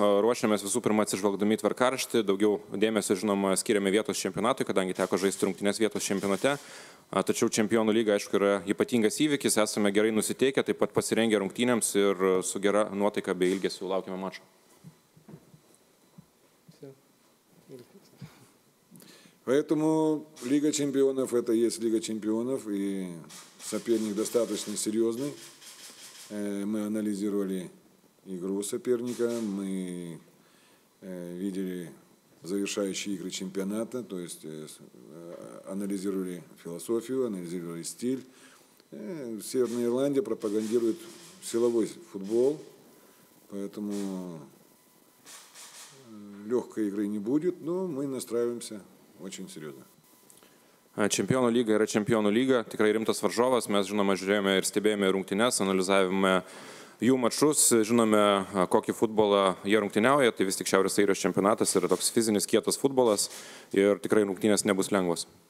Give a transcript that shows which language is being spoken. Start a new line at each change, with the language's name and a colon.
Lithuanian: Ruošiamės visų pirma atsižvelgdami į tvarkaraštį. Daugiau dėmesio, žinoma, skiriame vietos čempionatui, kadangi teko žaisti rungtynes vietos čempionate. Tačiau čempionų lyga, aišku, yra ypatingas įvykis. Esame gerai nusiteikę, taip pat pasirengę rungtynėms ir su gera nuotaika bei ilgesiu laukiame mačo.
Russian: Поэтому Лига чемпионов – это есть Лига чемпионов, и соперник достаточно серьезный. Мы анализировали игру соперника, мы видели завершающие игры чемпионата, то есть анализировали философию, анализировали стиль. Северная Ирландия пропагандирует силовой футбол, поэтому легкой игры не будет, но мы настраиваемся очень серьезно.
Lithuanian: Čempionų lyga yra čempionų lyga, tikrai rimtas varžovas, mes žinoma žiūrėjome ir stebėjome rungtynes, analizavome jų mačus, žinome kokį futbolą jie rungtyniauja, tai vis tik Šiaurės Airijos čempionatas yra toks fizinis kietas futbolas ir tikrai rungtynės nebus lengvos.